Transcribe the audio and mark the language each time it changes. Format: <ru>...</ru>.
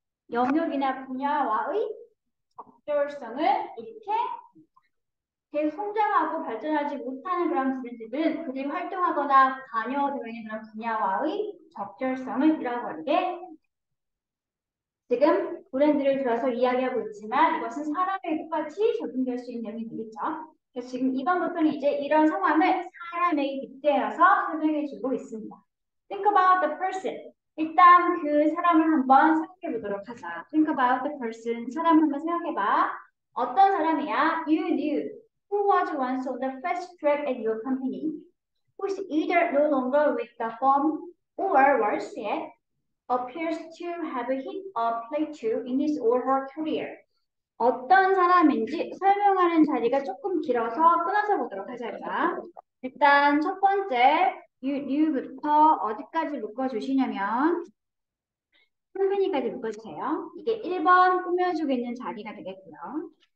<ko>영역이나 분야와의 적절성을 잃게 계속 성장하고 발전하지 못하는 그런 분들은 그들이 활동하거나 관여되어 있는 그런 분야와의 적절성을 잃어버리게 지금 브랜드를 들어서 이야기하고 있지만 이것은 사람에게 똑같이 적용될 수 있는 내용이 되겠죠. 그래서 지금 2번부터는 이제 이런 상황을 사람에게 빗대어서 설명해주고 있습니다.</ko> <en>Think about the person.</en> <ko>일단 그 사람을 한번 생각해보도록 하자.</ko> <en>Think about the person.</en> <ko>사람 한번 생각해봐. 어떤 사람이야?</ko> <en>You knew who was once on the fast track at your company, who is either no longer with the firm or worse yet, appears to have hit a plateau in his or her career.</en> <ko>어떤 사람인지 설명하는 자리가 조금 길어서 끊어서 보도록 하자. 일단 첫 번째, you부터 어디까지 묶어주시냐면 컴퍼니까지 묶어주세요. 이게 1번 꾸며주고 있는 자리가 되겠고요.</ko>